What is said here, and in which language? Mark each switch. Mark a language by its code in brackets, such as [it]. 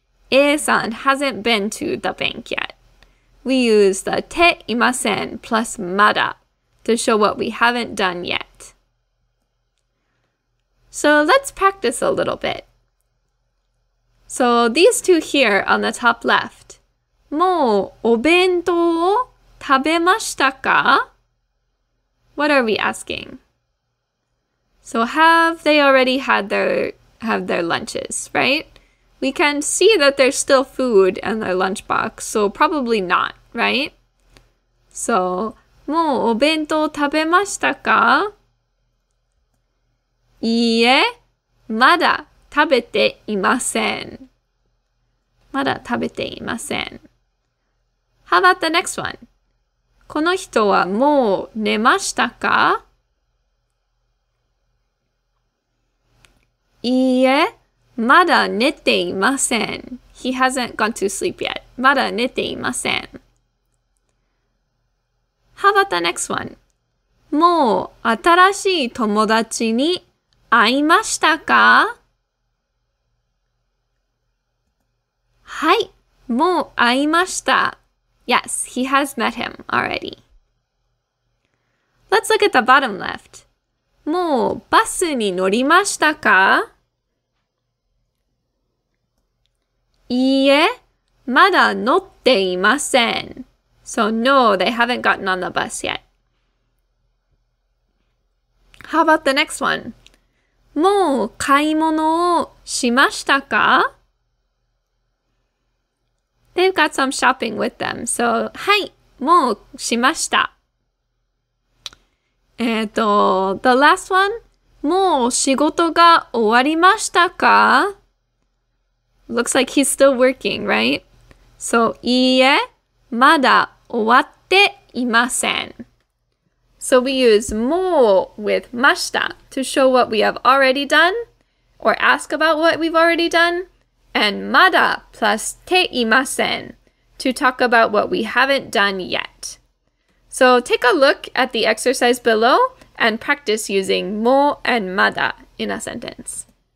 [en] A-san hasn't been to the bank yet. We use the teimasen plus mada to show what we haven't done yet. So let's practice a little bit. So these two here on the top left. [ja] もうお弁当を食べましたか? [en] What are we asking? So have they already had their lunches, right? We can see that there's still food in their lunchbox, so probably not, right? [ja] So, もうお弁当食べましたか? いいえ、まだ食べていません。まだ食べていません。 [en] How about the next one? [ja] この人はもう寝ましたか? いいえ、まだ寝ていません。 [en] He hasn't gone to sleep yet. [ja] まだ寝ていません。 [en] How about the next one? [ja] もう新しい友達に会いましたか? はい、もう会いました。 [en] Yes, he has met him already. Let's look at the bottom left. [ja] もうバスに乗りましたか? いいえ、まだ乗っていません。 [en] So no, they haven't gotten on the bus yet. How about the next one? [ja] もう買い物をしましたか? [en] They've got some shopping with them, so, [ja] はい、もうしました。 [en] The last one, [ja] もう仕事が終わりましたか? [en] Looks like he's still working, right? [ja] So, いいえ、まだ終わっていません。 [en] So we use もう with ました to show what we have already done or ask about what we've already done. And まだ plus ていません to talk about what we haven't done yet. So take a look at the exercise below and practice using もうand まだ in a sentence.